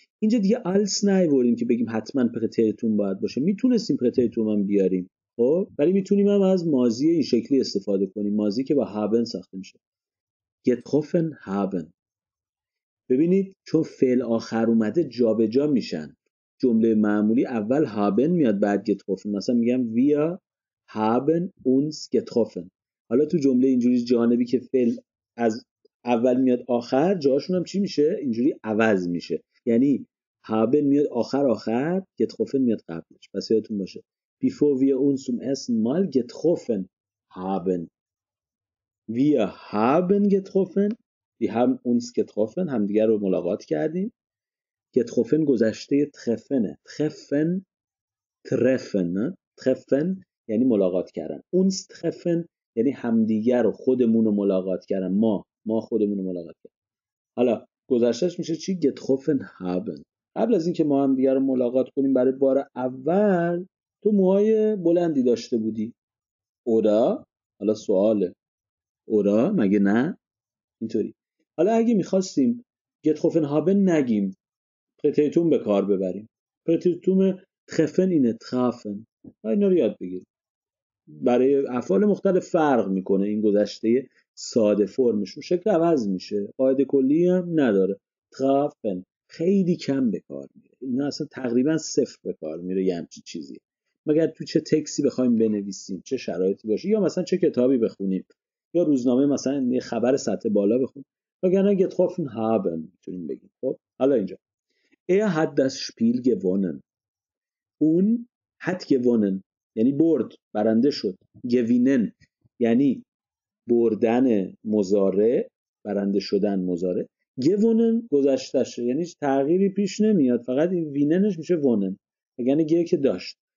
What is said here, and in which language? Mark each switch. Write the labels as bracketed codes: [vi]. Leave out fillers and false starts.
[fa] اینجا دیگه آلس نیوردیم که بگیم حتما پرتریتون باید باشه، میتونستیم پرتریتون هم بیاریم، خب ولی میتونیم هم از ماضی این شکلی استفاده کنیم، ماضی که با هابن ساخته میشه، [de] getroffen haben. [fa] ببینید چون فعل آخر اومده جابجا میشن. جمله معمولی اول haben میاد بعد getroffen. مثلا میگم [de] wir haben uns getroffen. [fa] حالا تو جمله اینجوری جانبی که فعل از اول میاد آخر، جاشون هم چی میشه؟ اینجوری عوض میشه. یعنی haben میاد آخر، getroffen میاد قبلش. پس یادتون باشه. [en] Before [de] wir uns zum Essen mal getroffen haben. Wir haben getroffen. Wir haben uns getroffen. [fa] هم دیگر رو ملاقات کردیم. Getroffen گذشته treffenه. [de] Treffen. Treffen. [fa] Treffen یعنی ملاقات کردن. Uns treffen یعنی هم دیگر رو، خودمون رو ملاقات کردن. ما خودمون رو ملاقات کردن. حالا گذشتهش میشه چی؟ [de] Getroffen haben. [fa] قبل از اینکه ما هم دیگر رو ملاقات کنیم برای بار اول، تو موهای بلندی داشته بودی. [de] Oder؟ [fa] حالا سواله. اورا مگه نه؟ اینطوری. حالا اگه میخواستیم گتروفن هابن نگیم، پرتیتوم به کار ببریم. پرتیتوم تخفن اینه، تخفن. اینا رو یاد بگیریم. برای افعال مختلف فرق میکنه این گذشته ساده فرمش. شکل عوض میشه. قاعده کلی هم نداره. تخفن خیلی کم به کار میره. اینا اصلا تقریبا صفر به کار میره یه همچی چیزی. مگر تو چه تکسی بخوایم بنویسیم، چه شرایطی باشه، یا مثلا چه کتابی بخونیم، یا روزنامه مثلا یه خبر سطح بالا بخون، وگرنه [de] getroffen haben [fa] میتونیم بگیم. خب حالا اینجا [de] er hat das Spiel gewonnen. [fa] اون [de] hat gewonnen [fa] یعنی برد، برنده شد. gewinnen یعنی بردن مضارع، برنده شدن مضارع. gewonnen گذشتهشه، یعنی تغییری پیش نمیاد، فقط این winnenش میشه wonnen، وگرنه گه که داشت.